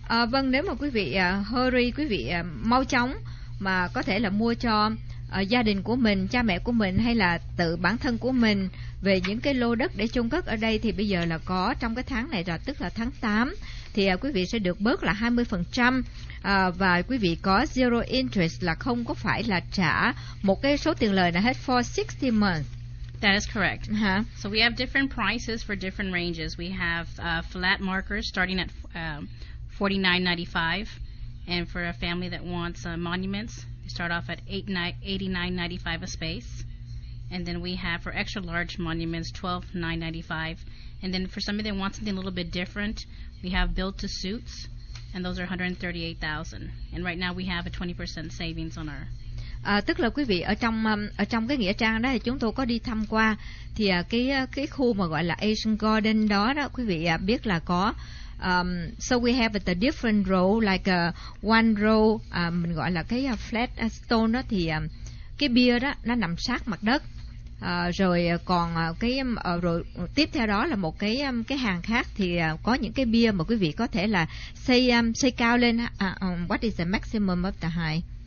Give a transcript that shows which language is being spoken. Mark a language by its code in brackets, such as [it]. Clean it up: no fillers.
[vi] Vâng, nếu mà quý vị hurry, quý vị mau chóng mà có thể là mua cho gia đình của mình, cha mẹ của mình hay là tự bản thân của mình về những cái lô đất để chôn cất ở đây thì bây giờ là có trong cái tháng này, tức là tháng 8 thì quý vị sẽ được bớt là 20% và quý vị có zero interest, là không có phải là trả một cái số tiền lời nào hết [en] for 60 months. That is correct. Uh-huh. So we have different prices for different ranges. We have flat markers starting at $49.95, and for a family that wants monuments, start off at $89.95 a space, And then we have for extra large monuments, $12,995. And then for somebody that wants something a little bit different, we have built to suits, and those are $138,000. And right now we have a 20% savings on our. [vi] Tức là quý vị ở trong cái nghĩa trang đó thì chúng tôi có đi tham quan thì cái khu mà gọi là Asian Garden đó quý vị biết là có [en] so we have the different row like one row [vi] mình gọi là cái flat stone đó thì cái bia đó nó nằm sát mặt đất rồi còn cái rồi tiếp theo đó là một cái hàng khác thì có những cái bia mà quý vị có thể là xây cao lên [en] what is the maximum of the height